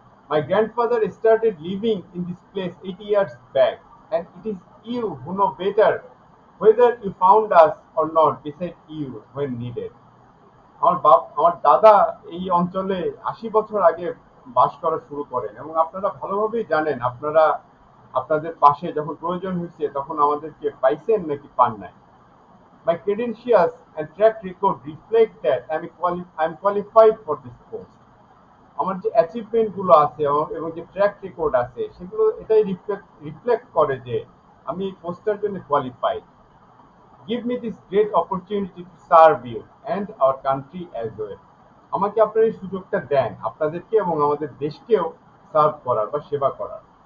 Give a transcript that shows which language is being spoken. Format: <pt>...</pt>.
<en>My grandfather started living in this place 80 years back and it is you who know better whether you found us or not beside you when needed.</en> <bn>আমার দাদা এই অঞ্চলে 80 বছর আগে বাস করা শুরু করেন এবং আপনারা ভালোভাবেই জানেন আপনারা আপনাদের পাশে যখন প্রয়োজন হয়েছে তখন আমাদেরকে পাইছেন নাকি পান নাই।</bn> <en>My credentials and track record reflect that I am qualified for this post.</en> <bn>আমার যে অ্যাচিভমেন্টগুলো আছে এবং যে ট্র্যাক রেকর্ড আছে সেগুলো এটাই রিফ্লেক্ট করে যে আমি এই পোস্টের জন্য qualified.</bn> <en>give me this great opportunity to serve you and our country as well,</en> <bn>আমাকে আপনারা এই সুযোগটা দেন আপনাদেরকে এবং আমাদের দেশকেও সার্ভ করার বা সেবা করার।</bn>